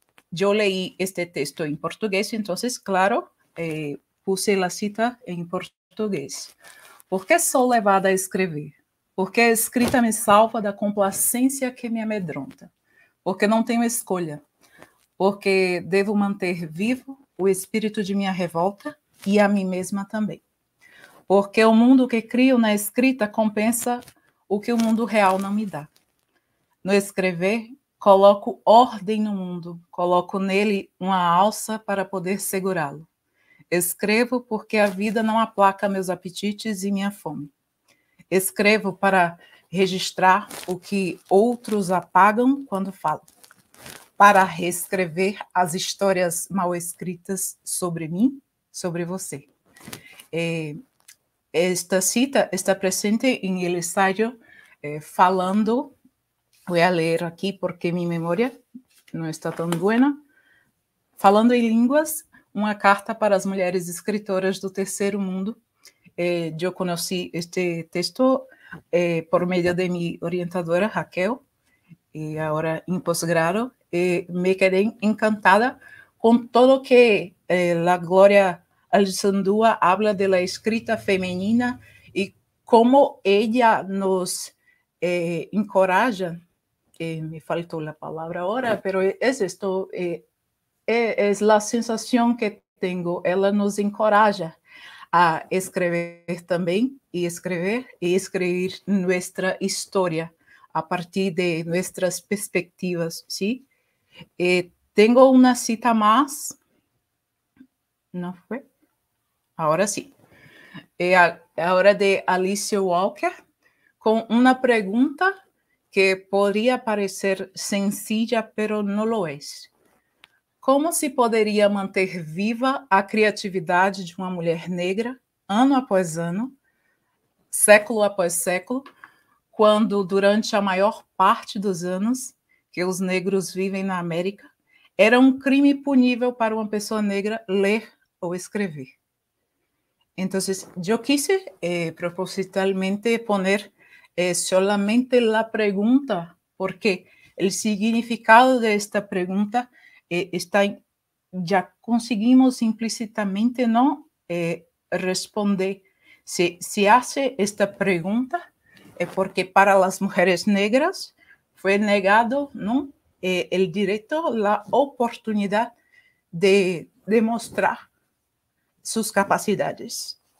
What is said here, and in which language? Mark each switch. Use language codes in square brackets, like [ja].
[es] Yo leí este texto en portugués, entonces, claro, puse la cita en portugués. ¿Por qué soy [pt] levada [es] a escribir? ¿Por qué [pt] escrita me salva [es] de la complacencia que me amedronta? Porque no tengo [pt] escolha. Porque devo manter vivo o espírito de minha revolta e a mim mesma também. Porque o mundo que crio na escrita compensa o que o mundo real não me dá. No escrever, coloco ordem no mundo, coloco nele uma alça para poder segurá-lo. Escrevo porque a vida não aplaca meus apetites e minha fome. Escrevo para registrar o que outros apagam quando falam. Para reescrever as histórias mal escritas sobre mim, sobre você. [es] Esta cita está presente em el ensayo falando, voy a leer aquí porque mi memoria no está tan buena, [pt] Falando em Línguas, uma carta para as mulheres escritoras do terceiro mundo. [es] Yo conocí este texto por medio de mi orientadora, Raquel, y ahora en posgrado. Me quedé encantada con todo lo que la Gloria Azaldúa habla de la escrita femenina y cómo ella nos encoraja, me faltó la palabra ahora, pero es esto, es la sensación que tengo, ella nos encoraja a escribir también y escribir nuestra historia a partir de nuestras perspectivas, ¿sí? Tengo una cita más. ¿No fue? Ahora sí. Ahora de Alice Walker, con una pregunta que podría parecer sencilla, pero no lo es. [pt] Como se poderia manter viva a criatividade de uma mulher negra, ano após ano, século após século, quando durante a maior parte dos anos que os negros vivem na América, era um crime punível para uma pessoa negra ler ou escrever? Então, eu quis propositalmente [es] poner solamente [pt] a pergunta, porque o significado [es] de esta [pt] pergunta está, já conseguimos implicitamente não responder. [es] Se hace esta [pt] pergunta, porque para as mulheres negras foi negado, não? [es] El direito, la oportunidad de demostrar sus capacidades.